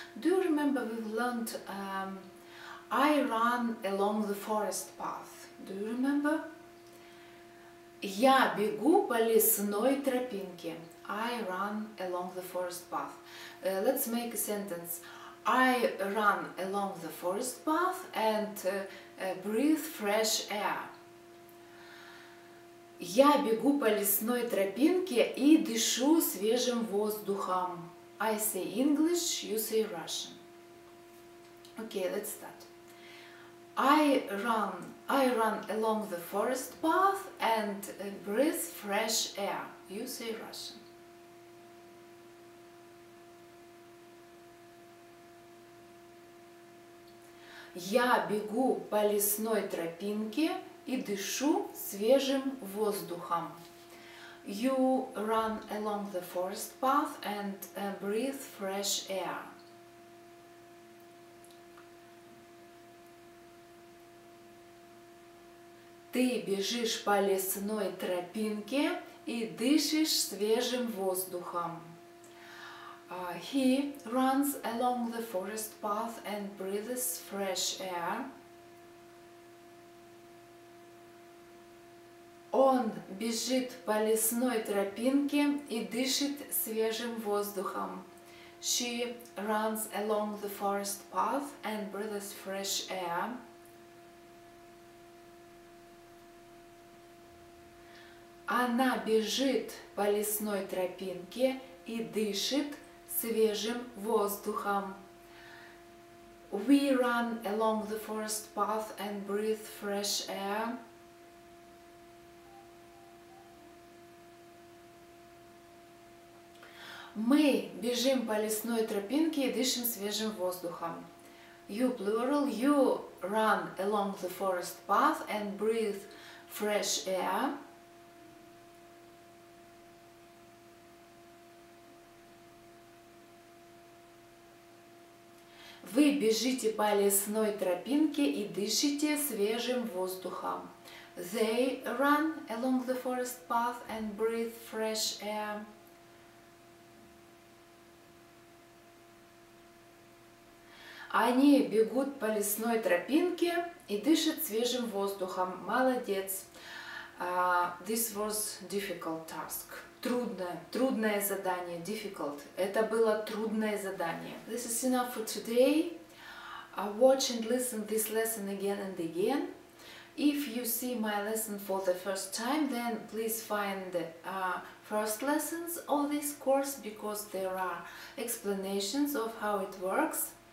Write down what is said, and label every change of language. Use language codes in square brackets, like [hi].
[en] Do you remember we've learned I run along the forest path. Do you remember? [ru] Я бегу по лесной тропинке. [en] I run along the forest path. Let's make a sentence. I run along the forest path and breathe fresh air. [ru] Я бегу по лесной тропинке и дышу свежим воздухом. [en] I say English, you say Russian. Okay, let's start. I run along the forest path and breathe fresh air. You say Russian. [ru] Я бегу по лесной тропинке и дышу свежим воздухом. [en] You run along the forest path and breathe fresh air. [ru] Ты бежишь по лесной тропинке и дышишь свежим воздухом. [en] He runs along the forest path and breathes fresh air. [ru] Он бежит по лесной тропинке и дышит свежим воздухом. [en] She runs along the forest path and breathes fresh air. [ru] Она бежит по лесной тропинке и дышит свежим воздухом. [en] We run along the forest path and breathe fresh air. [ru] Мы бежим по лесной тропинке и дышим свежим воздухом. [en] You plural, you run along the forest path and breathe fresh air. [ru] Вы бежите по лесной тропинке и дышите свежим воздухом. [en] They run along the forest path and breathe fresh air. [ru] Они бегут по лесной тропинке и дышат свежим воздухом. [en] Молодец! This was difficult task. [ru] Трудное, трудное задание. [en] Difficult. [ru] Это было трудное задание. [en] This is enough for today. Watch and listen this lesson again and again. If you see my lesson for the first time, then please find the first lessons of this course, because there are explanations of how it works.